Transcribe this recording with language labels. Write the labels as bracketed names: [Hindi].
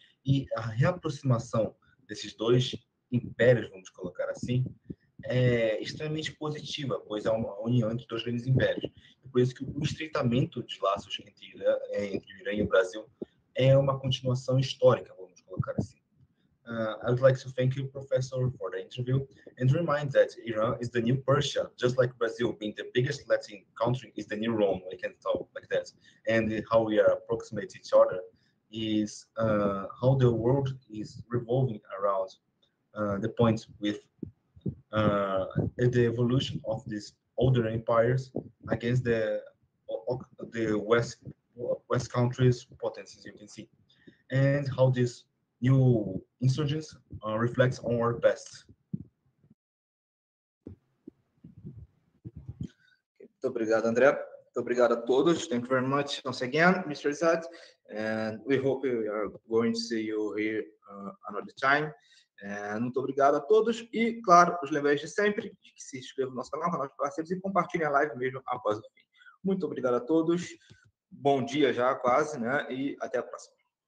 [Portuguese] E a reaproximação desses dois impérios, vamos colocar assim, é extremamente positiva, pois é uma união entre dois grandes impérios. Por isso que o estreitamento de laços entre o Irã e o Brasil é uma continuação histórica, vamos colocar assim. [English] I would like to thank you, Professor, for the interview, and remind that Iran is the new Persia, just like Brazil, being the biggest Latin country, is the new Rome, we can talk like that. And how we are approximate each other is how the world is revolving around the point with the evolution of these older empires against the West countries' potencies, you can see, and how this new insurgents reflects on our past. [Portuguese] Muito obrigado, André. Muito obrigado a todos. [English] Thank you very much once again, Mr. Izzat. And we hope we are going to see you here another time. [Portuguese] Muito obrigado a todos. E, claro, os lembrei de sempre de que se inscrevam no nosso canal, canal de parceiros, e compartilhem a live mesmo após o fim. Muito obrigado a todos. Bom dia já quase, né? E até a próxima.